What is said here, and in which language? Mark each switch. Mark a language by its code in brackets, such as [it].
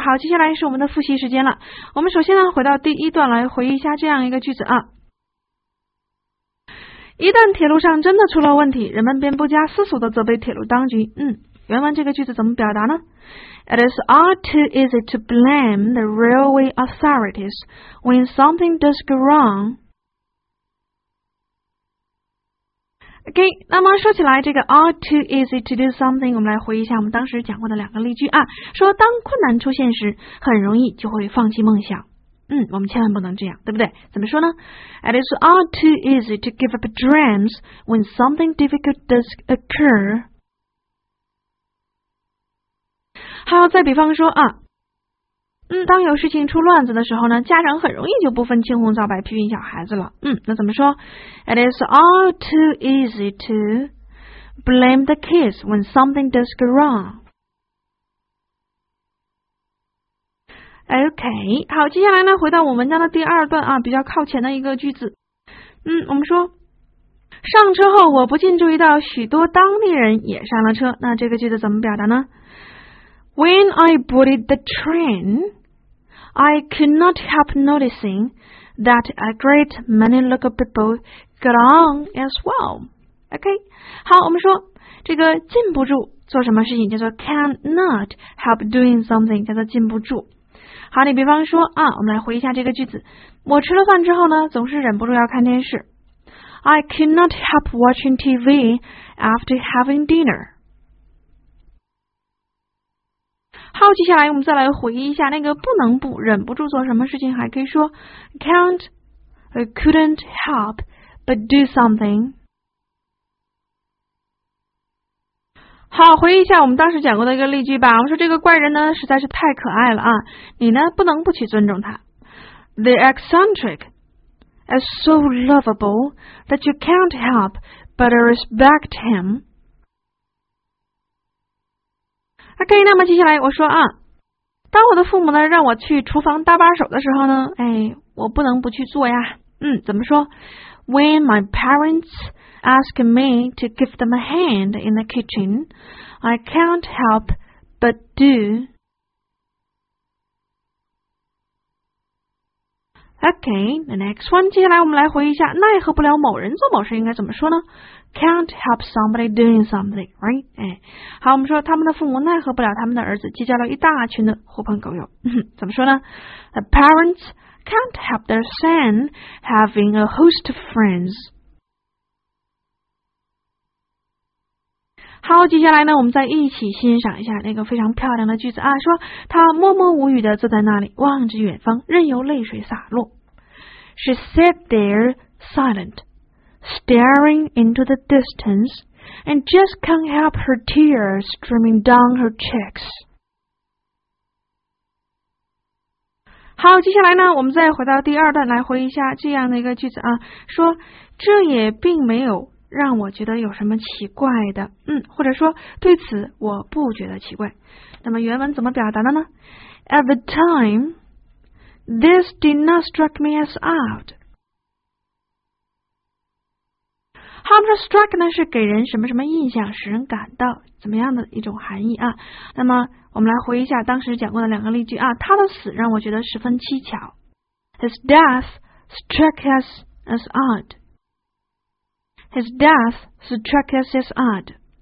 [zh] 好，接下来是我们的复习时间了。我们首先呢，回到第一段来回忆一下这样一个句子啊。一旦铁路上真的出了问题，人们便不加思索地责备铁路当局。原文这个句子怎么表达呢？ [en] It is all too easy to blame the railway authorities when something does go wrong. [zh] OK, 那么说起来这个 [en] all too easy to do something, [zh] 我们来回忆一下我们当时讲过的两个例句啊，说当困难出现时，很容易就会放弃梦想。我们千万不能这样，对不对？怎么说呢？ [en] It is all too easy to give up dreams when something difficult does occur. [zh] 好，再比方说啊，当有事情出乱子的时候呢，家长很容易就不分青红皂白批评小孩子了。那怎么说？ [en] It is all too easy to blame the kids when something does go wrong. [zh] OK, 好，接下来呢回到我们家的第二段啊，比较靠前的一个句子。我们说上车后我不禁注意到许多当地人也上了车，那这个句子怎么表达呢？ [en] When I boarded the train, I could not help noticing that a great many local people got on as well. [zh] OK, 好，我们说这个禁不住做什么事情叫做 [en] cannot help doing something, [zh] 叫做禁不住。好，你比方说啊，我们来回忆一下这个句子。我吃了饭之后呢，总是忍不住要看电视。 [en] I cannot help watching TV after having dinner. [zh] 好，接下来我们再来回忆一下那个不能不忍不住做什么事情，还可以说 [en] can't, I couldn't help but do something. [zh] 好，回忆一下我们当时讲过的一个例句吧。我说这个怪人呢实在是太可爱了啊，你呢不能不去尊重他。 [en] The eccentric is so lovable that you can't help but respect him. [zh] OK, 那么接下来我说啊，当我的父母呢让我去厨房搭把手的时候呢，我不能不去做呀。怎么说？ [en] When my parentsask me to give them a hand in the kitchen, I can't help but do. Okay, the next one. [zh] 接下来我们来回忆一下，奈何不了某人做某事应该怎么说呢？ [en] Can't help somebody doing something, right? [zh] 好，我们说他们的父母奈何不了他们的儿子结交了一大群的狐朋狗友。怎么说呢？ [en] The parents can't help their son having a host of friends. [zh] 好，接下来呢我们再一起欣赏一下那个非常漂亮的句子啊，说她默默无语地坐在那里望着远方，任由泪水洒落。 [en] She sat there silent, staring into the distance, and just can't help her tears streaming down her cheeks. [zh] 好，接下来呢我们再回到第二段来回忆一下这样的一个句子啊，说这也并没有让我觉得有什么奇怪的，或者说对此我不觉得奇怪。那么原文怎么表达的呢？ [en] At the time, this did not strike me as odd. [zh] 好，我们说 strike 呢是给人什么什么印象，使人感到怎么样的一种含义啊。那么我们来回忆一下当时讲过的两个例句啊，他的死让我觉得十分蹊跷。 [en] His death struck us as odd. His death struck us as odd.